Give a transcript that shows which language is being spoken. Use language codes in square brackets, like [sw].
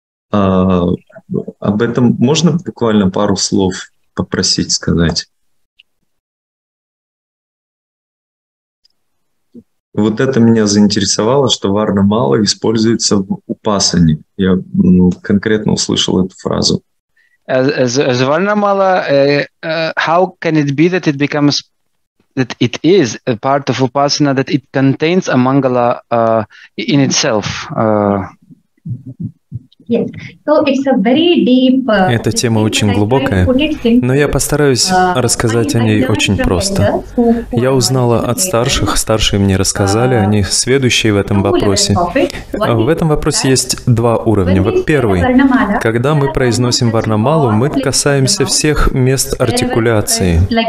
[ru] Об этом можно буквально пару слов попросить сказать? Вот это меня заинтересовало, что варна мала используется в упасане. Я конкретно услышал эту фразу. [en] As Varnamala, how can it be that it becomes, that it is a part of Upasana, that it contains a mangala in itself? [ru] Эта тема очень глубокая, но я постараюсь рассказать о ней очень просто. Я узнала от старших, старшие мне рассказали, они сведущие в этом вопросе. В этом вопросе есть два уровня. Первый, когда мы произносим варнамалу, мы касаемся всех мест артикуляции.